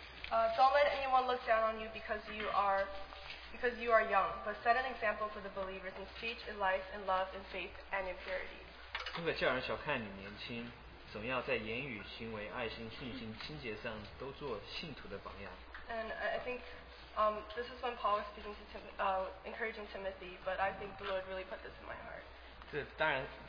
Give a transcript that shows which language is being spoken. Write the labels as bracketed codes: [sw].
[en] Don't let anyone look down on you because you are young, but set an example for the believers in speech, in life, in love, in faith, and in purity. [zh] 不可叫人小看你年轻，总要在言语、行为、爱心、信心、清洁上都做信徒的榜样。 [en] And I think this is when Paul was speaking to encouraging Timothy, but I think the Lord really put this in my heart.